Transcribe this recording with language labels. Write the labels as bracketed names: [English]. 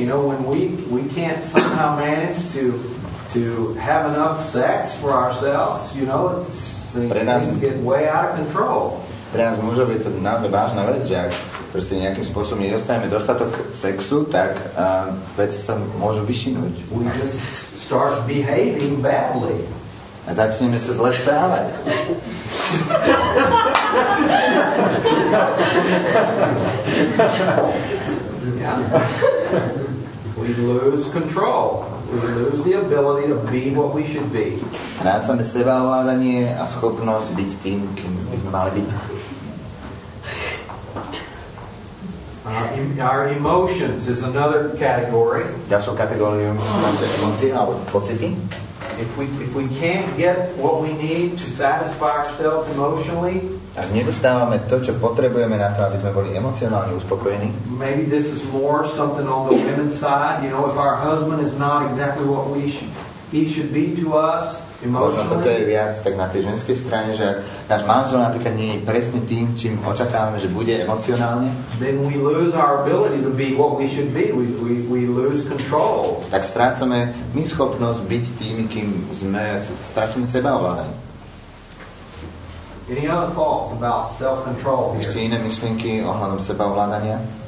[English] You know, when we can't somehow manage to have enough sex for ourselves, you know, things get way out of control. [Slovak] Pre nás môže byť to naozaj vážna vec, že ak proste nejakým spôsobom nedostajeme dostatok sexu, tak veci sa môžu vyšinúť. [English] We just start behaving badly. [Slovak] A začneme sa zle správať. [English] Yeah. We lose control. We lose the ability to be what we should be. [Slovak] Strácame sebaovládanie a schopnosť byť tým, kým by sme mali byť. [English] Our emotions is another category. [Slovak] Ďalšou kategóriou naše emócie alebo pocity. [English] If we can't get what we need to satisfy ourselves emotionally, [Slovak] ak nedostávame to, čo potrebujeme na to, aby sme boli emocionálne uspokojení. [English] Maybe this is more something on the women's side. You know, if our husband is not exactly what he should be to us emotionally. [Slovak] Možno toto je viac tak na tej ženskej strane, že náš manžel napríklad nie je presne tým, čím očakávame, že bude emocionálne. [English] Then we lose our ability to be what we should be. We lose control. [Slovak] Tak strácame my schopnosť byť tými, kým sme, strácame seba ovládanie. [English] Any other thoughts about self-control here? [Slovak] Ešte iné myšlienky ohľadom seba ovládania?